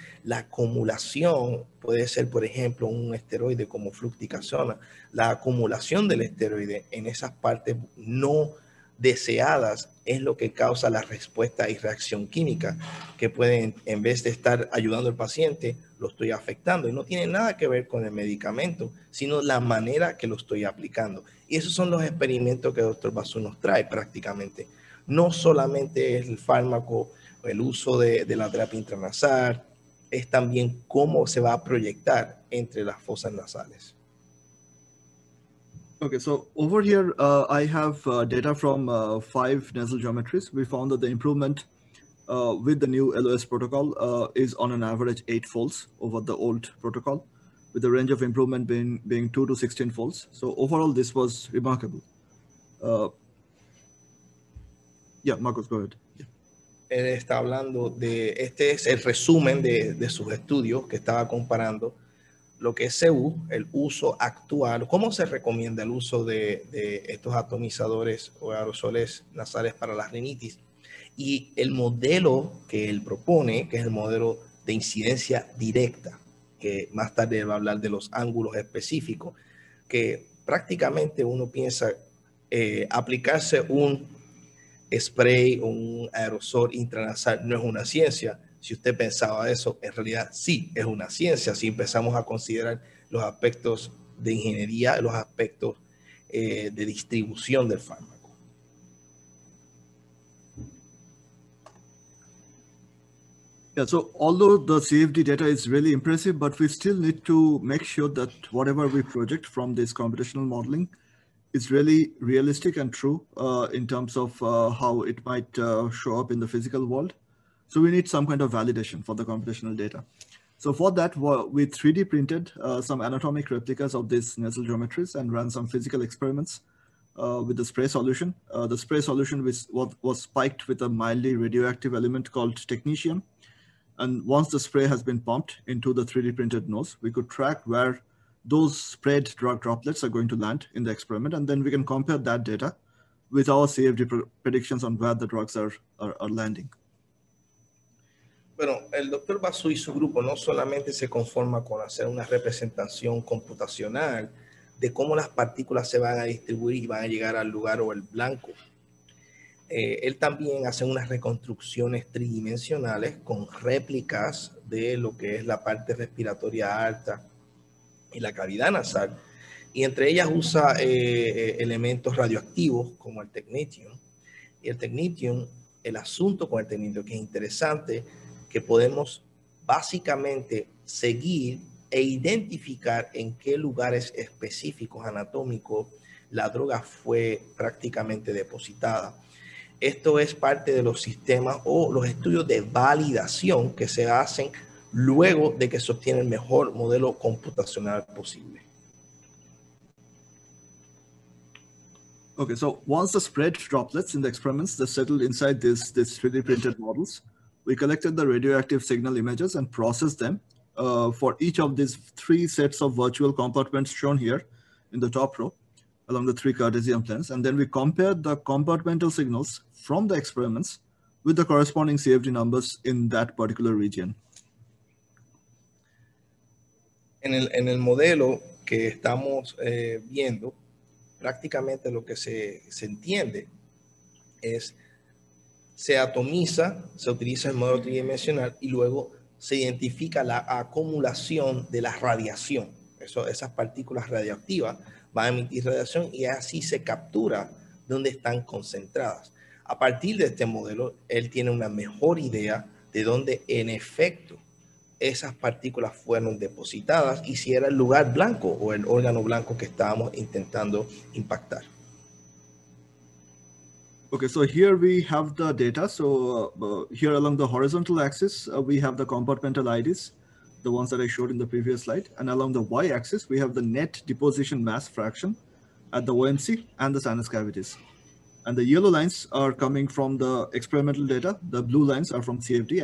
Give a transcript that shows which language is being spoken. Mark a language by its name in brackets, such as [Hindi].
[Spanish] La acumulación puede ser, por ejemplo, un esteroide como fluticasona, la acumulación del esteroide en esas partes no deseadas es lo que causa la respuesta y reacción química, que pueden, en vez de estar ayudando al paciente, lo estoy afectando. Y no tiene nada que ver con el medicamento, sino la manera que lo estoy aplicando. Y esos son los experimentos que el doctor Basu nos trae prácticamente. No solamente es el fármaco, el uso de la terapia intranasal, es también cómo se va a proyectar entre las fosas nasales. [English] Okay, so over here, I have data from five nasal geometries. We found that the improvement with the new LOS protocol is on an average 8-fold over the old protocol, with the range of improvement being 2 to 16-fold. So overall, this was remarkable. Marcos, go ahead. Yeah. [Spanish] Él está hablando de, este es el resumen de sus estudios que estaba comparando. Lo que es CU, el uso actual, ¿cómo se recomienda el uso de estos atomizadores o aerosoles nasales para la rinitis? Y el modelo que él propone, que es el modelo de incidencia directa, que más tarde va a hablar de los ángulos específicos, que prácticamente uno piensa aplicarse un spray o un aerosol intranasal no es una ciencia. Si usted pensaba eso, en realidad sí, es una ciencia. Si empezamos a considerar los aspectos de ingeniería, los aspectos de distribución del fármaco. [English] Yeah, so although the CFD data is really impressive, but we still need to make sure that whatever we project from this computational modeling is really realistic and true in terms of how it might show up in the physical world. So we need some kind of validation for the computational data. So for that, we 3D printed some anatomic replicas of these nasal geometries and ran some physical experiments with the spray solution. The spray solution was spiked with a mildly radioactive element called technetium. And once the spray has been pumped into the 3D printed nose, we could track where those sprayed drug droplets are going to land in the experiment. And then we can compare that data with our CFD predictions on where the drugs are landing. [Spanish] Bueno, el doctor Basu y su grupo no solamente se conforma con hacer una representación computacional de cómo las partículas se van a distribuir y van a llegar al lugar o el blanco. Él también hace unas reconstrucciones tridimensionales con réplicas de lo que es la parte respiratoria alta y la cavidad nasal. Y entre ellas usa elementos radioactivos como el technetium. Y el technetium, el asunto con el technetium, que es interesante, que podemos básicamente seguir e identificar en qué lugares específicos anatómicos la droga fue prácticamente depositada. Esto es parte de los sistemas o los estudios de validación que se hacen luego de que se obtiene el mejor modelo computacional posible. [English] Okay, so once the spread droplets in the experiments that settled inside this 3D printed models, we collected the radioactive signal images and processed them for each of these three sets of virtual compartments shown here in the top row along the three Cartesian planes. And then we compared the compartmental signals from the experiments with the corresponding CFD numbers in that particular region. [Spanish] En el modelo que estamos viendo, prácticamente lo que se entiende es, se atomiza, se utiliza el modelo tridimensional y luego se identifica la acumulación de la radiación. Esas partículas radioactivas van a emitir radiación y así se captura dónde están concentradas. A partir de este modelo, él tiene una mejor idea de dónde en efecto esas partículas fueron depositadas y si era el lugar blanco o el órgano blanco que estábamos intentando impactar. [English] Okay, so here we have the data. So here along the horizontal axis, we have the compartmental IDs, the ones that I showed in the previous slide. And along the y-axis, we have the net deposition mass fraction at the OMC and the sinus cavities. And the yellow lines are coming from the experimental data. The blue lines are from CFD.